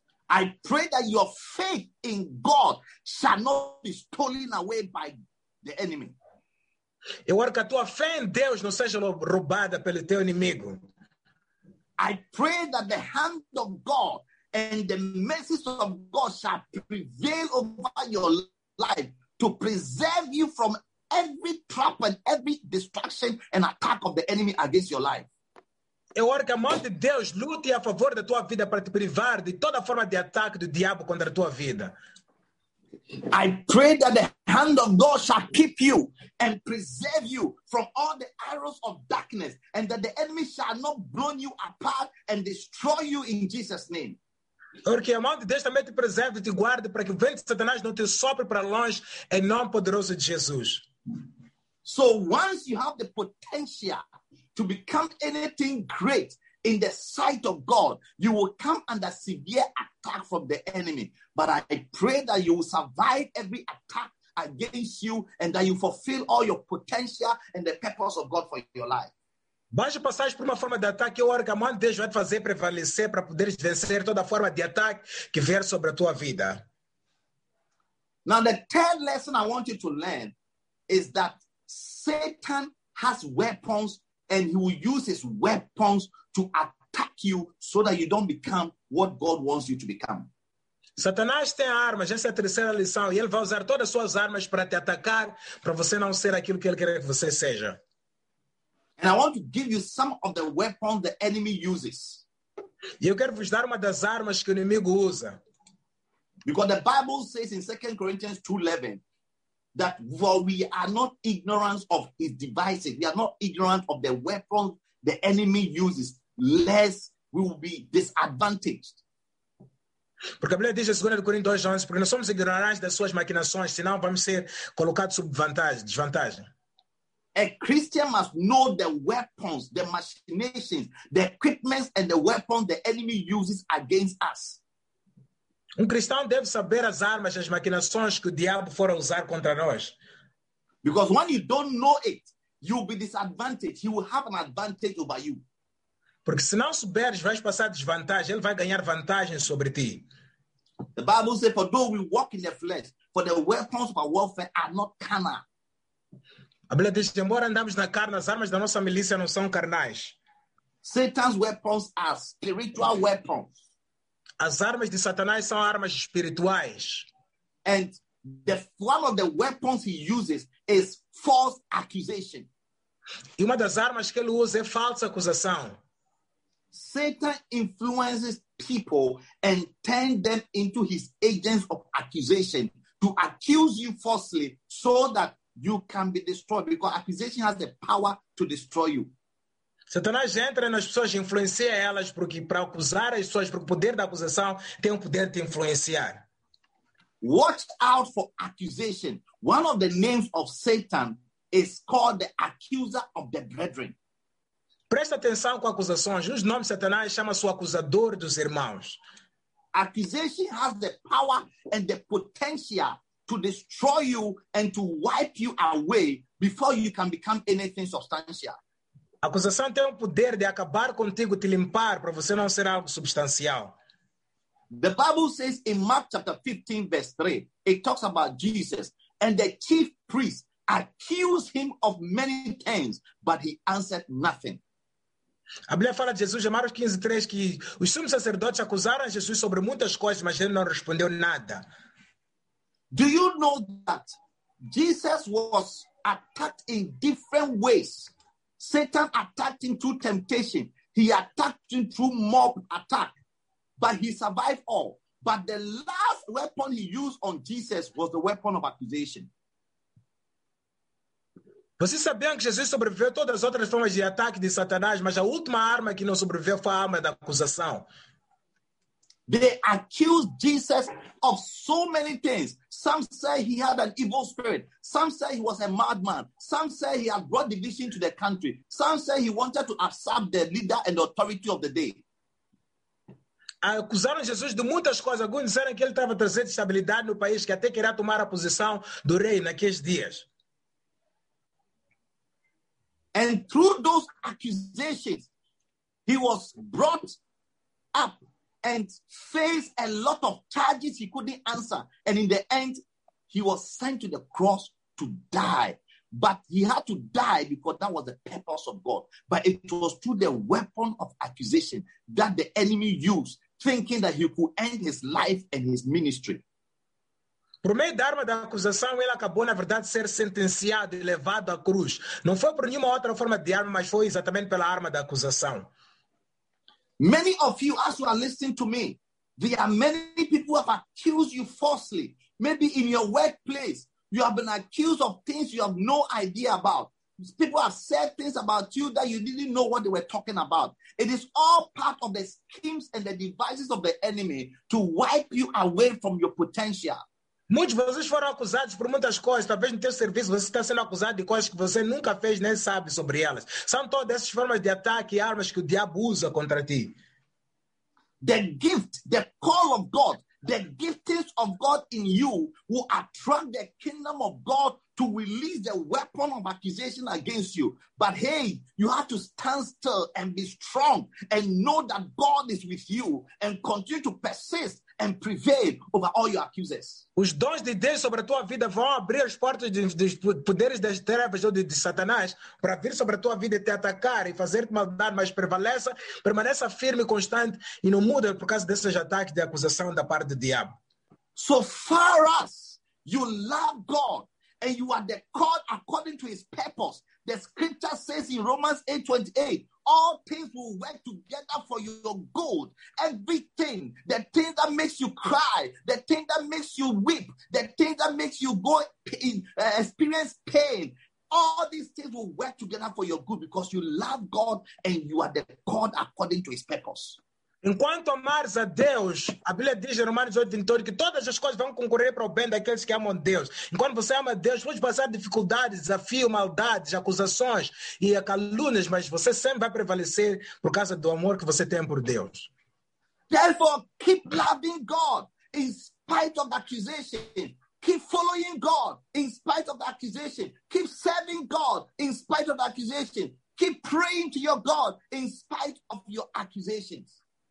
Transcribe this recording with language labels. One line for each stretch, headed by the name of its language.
English: I pray that your faith in God shall not be stolen away by the enemy.
Portuguese: Eu oro que a tua fé em Deus não seja roubada pelo teu inimigo.
English: I pray that the hand of God and the mercies of God shall prevail over your life to preserve you from every trap and every destruction and attack of the enemy against your life.
Portuguese: Eu oro que a mão de Deus lute a favor da tua vida para te privar de toda forma de ataque do diabo contra a tua vida.
English: I pray that the hand of God shall keep you and preserve you from all the arrows of darkness and that the enemy shall not blow you apart and destroy you in Jesus' name.
Portuguese: Porque a mão de Deus também te preserve e te guarde para que o vento de Satanás não te sopre para longe em nome poderoso de Jesus.
English: So once you have the potential to become anything great in the sight of God, you will come under severe attack from the enemy. But I pray that you will survive every attack against you and that you fulfill all your potential and the purpose of God for your life.
Portuguese: Basta passar por uma forma de ataque, eu oro que a mão de Deus vai te fazer prevalecer para poder vencer toda forma de ataque que vier sobre a tua vida.
English: Now, the third lesson I want you to learn is that Satan has weapons and he will use his weapons to attack you so that you don't become what God wants you to become.
Portuguese: Satanás tem armas, essa é a terceira lição, e ele vai usar todas as suas armas para te atacar, para você não ser aquilo que ele quer que você seja.
English: And I want to give you some of the weapons the enemy uses.
Portuguese: E eu quero vos dar uma das armas que o inimigo usa.
English: Because the Bible says in 2 Corinthians 2:11, that for we are not ignorant of his devices. We are not ignorant of the weapons the enemy uses, lest we will be disadvantaged.
Portuguese: Porque a Bíblia diz em 2 Coríntios 2, 11, porque não somos ignorantes das suas maquinações, senão vamos ser colocados sob vantagem, desvantagem.
English: A Christian must know the weapons, the machinations, the equipments and the weapons the enemy uses against us.
Portuguese: Cristão deve saber as armas, as maquinações que o diabo for usar contra nós.
English: Because when you don't know it, you will be disadvantaged. He will have an advantage over you.
Portuguese: Porque se não souberes, vais passar desvantagem, ele vai ganhar vantagem sobre ti.
English: The Bible says, for though we walk in the flesh, for the weapons of our warfare are not carnal.
Portuguese: A Bíblia diz, embora andamos na carne, as armas da nossa milícia não são carnais.
English: Satan's weapons are spiritual weapons.
Portuguese: As armas de Satanás são armas espirituais.
English: And the one of the weapons he uses is false accusation.
Portuguese: E uma das armas que ele usa é falsa acusação.
English: Satan influences people and turns them into his agents of accusation to accuse you falsely so that you can be destroyed, because accusation has the power to destroy you.
Portuguese: Satanás entra nas pessoas, influencia elas para acusar as pessoas, porque o poder da acusação tem o poder de te influenciar.
English: Watch out for accusation. One of the names of Satan is called the accuser of the brethren.
Portuguese: Presta atenção com acusações. Os nomes de Satanás chama-se o acusador dos irmãos.
English: Accusation has the power and the potential to destroy you and to wipe you away before you can become anything substantial.
Portuguese: A acusação tem o poder de acabar contigo, te limpar, para você não ser algo substancial.
English: The Bible says in Mark chapter 15, verse 3, it talks about Jesus, and the chief priest accused him of many things, but he answered nothing.
Portuguese: A Bíblia fala de Jesus em Marcos 15, 3, que os sumos sacerdotes acusaram Jesus sobre muitas coisas, mas ele não respondeu nada.
English: Do you know that Jesus was attacked in different ways? Satan attacked him through temptation. He attacked him through mob attack. But he survived all. But the last weapon he used on Jesus was the weapon of accusation.
Portuguese: Vocês sabiam que Jesus sobreviveu a todas as outras formas de ataque de Satanás, mas a última arma que não sobreviveu foi a arma da acusação.
English: They accused Jesus of so many things. Some say he had an evil spirit. Some say he was a madman. Some say he had brought division to the country. Some say he wanted to usurp the leader and the authority of the day.
Portuguese: Acusaram Jesus de muitas coisas. Alguns disseram que ele estava trazendo estabilidade no país, que até queria tomar a posição do rei naqueles dias.
English: And through those accusations, he was brought up and faced a lot of charges he couldn't answer. And in the end, he was sent to the cross to die. But he had to die because that was the purpose of God. But it was through the weapon of accusation that the enemy used, thinking that he could end his life and his ministry.
Portuguese: Por meio da arma da acusação, ele acabou, na verdade, ser sentenciado e levado à cruz. Não foi por nenhuma outra forma de arma, mas foi exatamente pela arma da acusação.
English: Many of you, as you are listening to me, there are many people who have accused you falsely. Maybe in your workplace, you have been accused of things you have no idea about. People have said things about you that you didn't know what they were talking about. It is all part of the schemes and the devices of the enemy to wipe you away from your potential.
Portuguese: Muitos de vocês foram acusados por muitas coisas. Talvez no teu serviço você está sendo acusado de coisas que você nunca fez nem sabe sobre elas. São todas essas formas de ataque e armas que o diabo usa contra ti.
English: The gift, the call of God, the giftings of God in you will attract the kingdom of God to release the weapon of accusation against you. But hey, you have to stand still and be strong and know that God is with you and continue to persist and prevail over all your accusers.
Portuguese: Os dons de Deus sobre a tua vida vão abrir as portas de poderes das trevas ou de Satanás para vir sobre a tua vida e te atacar e fazer-te maldade, mas permaneça firme e constante e não muda por causa desses ataques de acusação da parte do diabo.
English: So far as you love God and you are the called according to his purpose, the scripture says in Romans 8:28, all things will work together for your good. Everything, the thing that makes you cry, the thing that makes you weep, the thing that makes you go in, experience pain, all these things will work together for your good because you love God and you are the God according to his purpose.
Portuguese: Enquanto amares a Deus, a Bíblia diz em Romanos 8, 22, que todas as coisas vão concorrer para o bem daqueles que amam Deus. Enquanto você ama Deus, pode passar dificuldades, desafios, maldades, acusações e calúnias, mas você sempre vai prevalecer por causa do amor que você tem por Deus.
English: Therefore, keep loving God in spite of the accusation. Keep following God in spite of the accusation. Keep serving God in spite of the accusation. Keep praying to your God in spite of your accusations.